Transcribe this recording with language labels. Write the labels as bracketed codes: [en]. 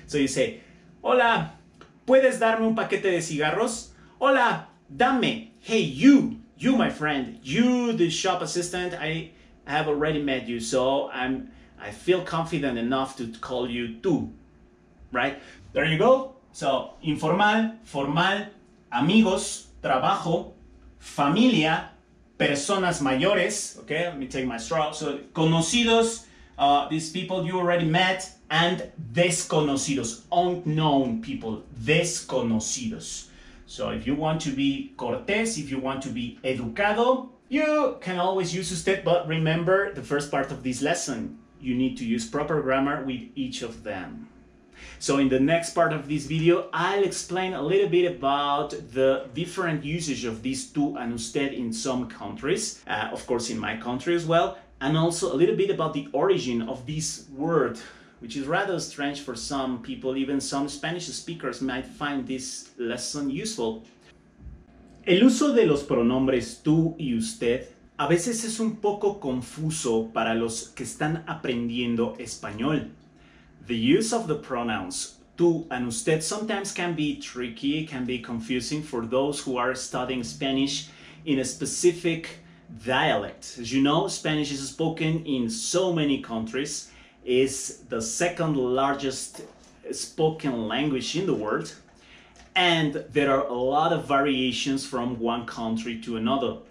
[en] So you say, [es] hola, ¿puedes darme un paquete de cigarros? Hola, dame. [en] Hey, you, my friend, you, the shop assistant, I have already met you, so I feel confident enough to call you tú, right? There you go. [es] So, informal, formal, amigos, trabajo, familia, personas mayores. [en] Okay, let me take my straw. So, conocidos, these people you already met, and desconocidos, unknown people, desconocidos. So, if you want to be cortés, if you want to be educado, you can always use usted, but remember the first part of this lesson. You need to use proper grammar with each of them. So in the next part of this video, I'll explain a little bit about the different usage of these tú and usted in some countries, of course in my country as well, and also a little bit about the origin of this word, which is rather strange for some people. Even some Spanish speakers might find this lesson useful. [es] El uso de los pronombres tú y usted a veces es un poco confuso para los que están aprendiendo español. [en] The use of the pronouns tú and usted sometimes can be tricky, can be confusing for those who are studying Spanish in a specific dialect. As you know, Spanish is spoken in so many countries, is the second largest spoken language in the world, and there are a lot of variations from one country to another.